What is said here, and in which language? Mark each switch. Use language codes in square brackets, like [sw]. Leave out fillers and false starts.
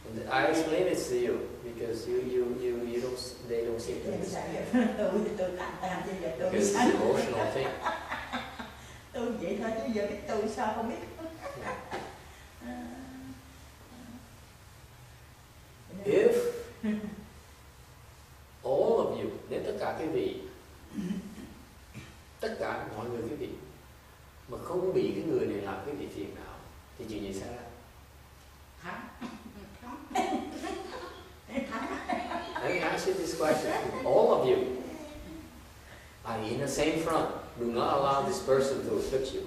[en] I explain it to you because you don't, they don't seem to understand. It's an emotional thing. [vi] Tôi vậy thôi chứ giờ biết tôi sao không biết. [en] If all of you, [vi] nếu tất cả quý vị, tất cả mọi người quý vị, mà không bị cái người này làm cái gì phiền nào, thì chuyện gì sẽ ra? Hả? [en] Let me ask you this question to all of you. Are you in the same front? Do not allow this person to afflict you.